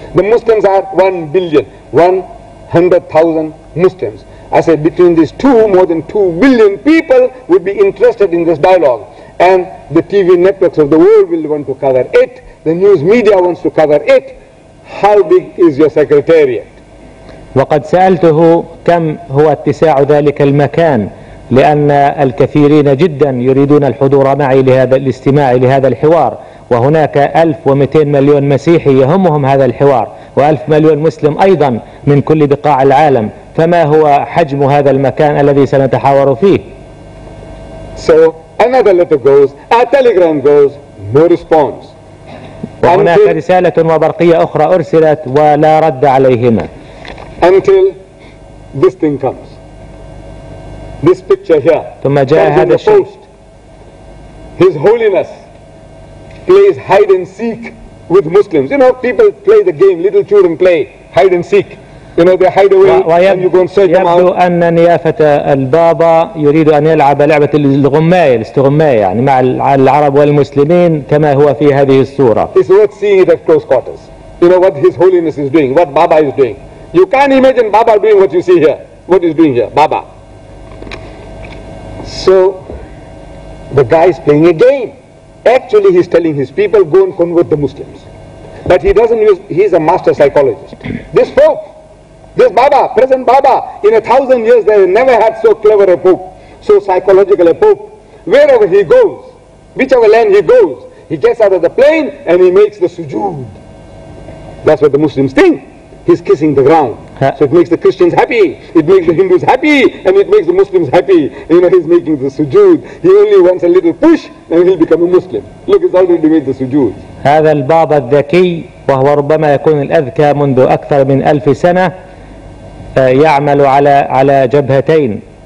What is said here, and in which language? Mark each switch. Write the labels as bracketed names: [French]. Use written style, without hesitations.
[English] The Muslims are 1 billion, 100,000 Muslims. I said between these two, more than 2 billion people would be interested in this dialogue, and the TV networks of the world will want to cover it. The news media wants to cover it. How big is your secretariat? [Arabic] وقد سألته كم هو اتساع ذلك المكان، لأن الكثيرين جدا يريدون الحضور معي لهذا الاستماع لهذا الحوار، وهناك 1,200 مليون مسيحي يهمهم هذا الحوار، وألف مليون مسلم أيضا من كل بقاع العالم، فما هو حجم هذا المكان الذي سنتحاور فيه؟ [English] So another letter goes, a telegram goes, no response. [Arabic] وهناك رسالة وبرقية أخرى أرسلت ولا رد عليهما. [English] Until this thing comes. This picture here. [Arabic] ثم جاء هذا الشخص. [English] His Holiness plays hide and seek with Muslims. You know, people play the game. Little children play hide and seek. You know, they hide away and you go and search them out. [Arabic] يبدو أن نيافة البابا يريد أن يلعب لعبة الغماية، الاستغماية يعني مع العرب والمسلمين كما هو في هذه الصورة. [English] It's worth seeing it at close quarters. You know what His Holiness is doing, what Baba is doing. You can't imagine Baba doing what you see here, what he's doing here, Baba. So the guy is playing a game. Actually, he's telling his people, go and convert the Muslims. But he doesn't use, he's a master psychologist. This Pope, this Baba, present Baba, in 1,000 years, they never had so clever a Pope, so psychological a Pope. Wherever he goes, whichever land he goes, he gets out of the plane and he makes the sujood. That's what the Muslims think. He's kissing the ground. So it makes the Christians happy, it makes the Hindus happy, and it makes the Muslims happy. You know, he's making the sujood. He only wants a little push and he'll become a Muslim. Look, he's already made the sujood. [Arabic] هذا الباب الذكي وهو ربما يكون الأذكى منذ أكثر من 1000 سنة يعمل على جبهتين،